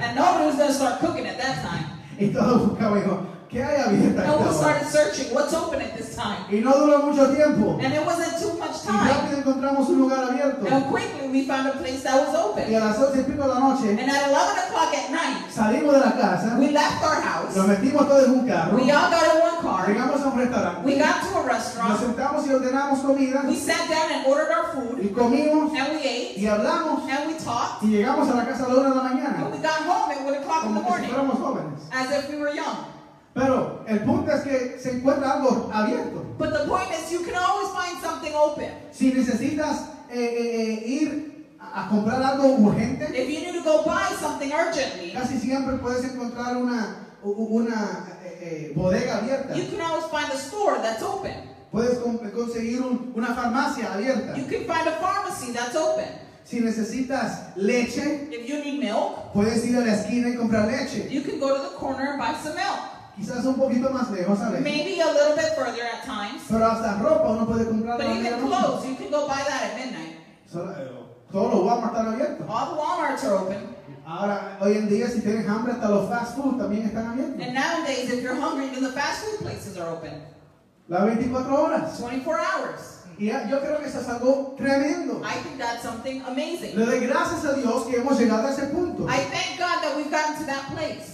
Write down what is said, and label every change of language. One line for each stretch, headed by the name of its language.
English: And nobody was going to start cooking at that time.
Spanish: Y todos buscaban y dijo, ¿qué hay abierta?
English: No one started searching. What's open at this time?
Spanish: Y no duró mucho tiempo.
English: And it wasn't too much time.
Spanish: Y rápido encontramos un lugar abierto.
English: And quickly we found a place that was open.
Spanish: Y a las 11 y pico de la noche.
English: And at 11 o'clock at night.
Spanish: Salimos de la casa.
English: We left our house.
Spanish: Nos metimos todos en un carro.
English: We all got in one car.
Spanish: Llegamos a un restaurante.
English: We got to a restaurant.
Spanish: Nos sentamos y ordenamos comida.
English: We sat down and ordered our food.
Spanish: Y comimos.
English: And we ate.
Spanish: Y hablamos.
English: And we talked.
Spanish: Y llegamos a la casa a la 1 de la mañana.
English: And we got home at 1 o'clock
Spanish: como
English: in the morning.
Spanish: Como si fuéramos jóvenes.
English: As if we were young.
Spanish: Pero el punto es que se encuentra algo abierto.
English: But the point is, you can always find something open.
Spanish: Si necesitas ir a comprar algo urgente,
English: if you need to go buy something urgently,
Spanish: casi siempre puedes encontrar una bodega abierta.
English: You can always find a store that's open.
Spanish: Puedes conseguir una farmacia abierta.
English: You can find a pharmacy that's open.
Spanish: Si necesitas leche,
English: if you need milk,
Spanish: puedes ir a la esquina y comprar leche.
English: You can go to the corner and buy some milk.
Spanish: Quizás un poquito más lejos, ¿sabes?
English: Maybe a little bit further at times.
Spanish: Pero hasta ropa uno puede comprar.
English: But even clothes, you can go buy that at midnight.
Spanish: So, todos los Walmart están abiertos.
English: All the Walmarts are open.
Spanish: Ahora, hoy en día, si tienes hambre, hasta los fast food también están abiertos.
English: And nowadays, if you're hungry, even the fast food places are open.
Spanish: Las 24 horas.
English: 24 hours.
Spanish: Y yo creo que eso es algo tremendo.
English: I think that's something amazing.
Spanish: Le doy gracias a Dios que hemos llegado a ese punto.
English: I thank God that we've gotten to that place.